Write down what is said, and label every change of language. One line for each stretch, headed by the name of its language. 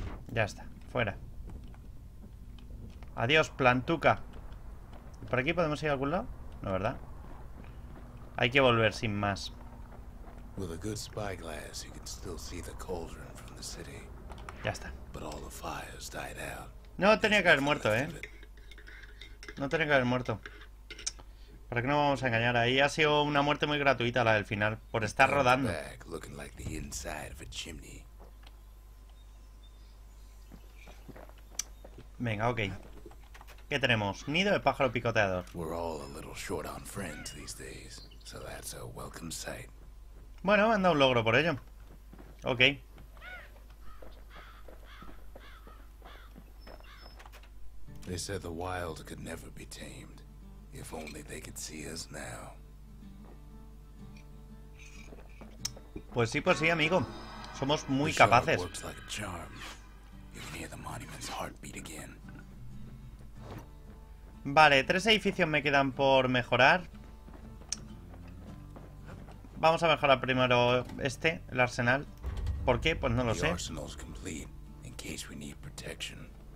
Spanish: Ya está, fuera. Adiós, plantuca. ¿Por aquí podemos ir a algún lado? No, ¿verdad? Hay que volver sin más.
English: With a good spyglass, you can still see the cauldron from the city.
Spanish: Ya está.
English: But all the fires died out.
Spanish: No tenía que haber muerto, ¿eh? No tenía que haber muerto. ¿Para qué no vamos a engañar? Ahí ha sido una muerte muy gratuita la del final, por estar rodando.
English: Looking like the inside of a chimney.
Spanish: Venga, ok. ¿Qué tenemos? Nido de pájaro picoteador.
English: We're all a little short on friends these days, so that's a welcome sight.
Spanish: Bueno, me han dado un logro por ello. Ok.
English: They said the wild could never be tamed. If only they could see us now.
Spanish: Pues sí, amigo. Somos muy capaces.
English: Works like a charm. You can hear the monument's heartbeat again.
Spanish: Vale, tres edificios me quedan por mejorar. Vamos a mejorar primero este, el arsenal. ¿Por qué? Pues no lo sé.
English: Arsenal's complete, in case we need protection.